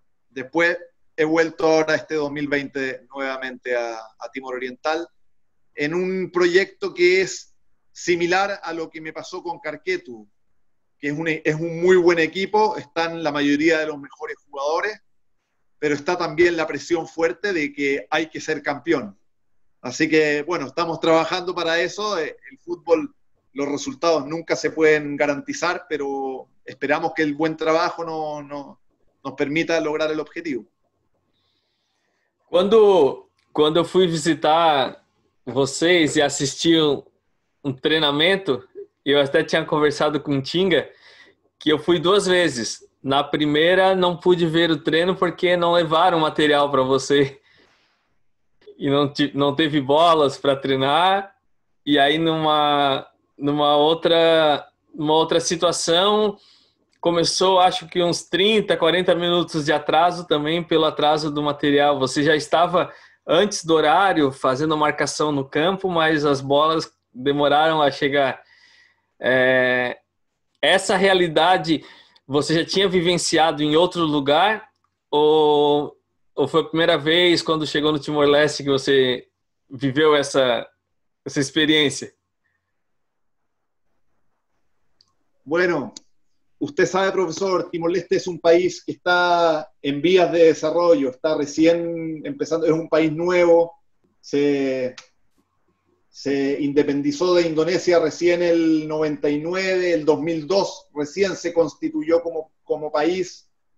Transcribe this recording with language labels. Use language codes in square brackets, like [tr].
[es] Después he vuelto ahora este 2020 nuevamente a Timor Oriental en un proyecto que es similar a lo que me pasó con Carquetu, que es un muy buen equipo, están la mayoría de los mejores jugadores, pero está también la presión fuerte de que hay que ser campeón. Así que, bueno, estamos trabajando para eso. El fútbol, los resultados nunca se pueden garantizar, pero esperamos que el buen trabajo nos permita lograr el objetivo. [pt] Quando eu fui visitar vocês e assisti um treinamento, eu até tinha conversado com o Tinga, que eu fui 2 vezes. Na primeira, não pude ver o treino porque não levaram material para você. E não teve bolas para treinar. E aí, numa outra situação, começou, acho que uns 30, 40 minutos de atraso também, pelo atraso do material. Você já estava antes do horário fazendo marcação no campo, mas as bolas demoraram a chegar. Essa realidade você já tinha vivenciado em outro lugar? Ou foi a primeira vez, quando chegou no Timor-Leste, que você viveu essa experiência? [es] Bueno. Usted sabe, profesor, Timor-Leste es un país que está en vías de desarrollo, está recién empezando, es un país nuevo, se independizó de Indonesia recién el 99, el 2002 recién se constituyó como país.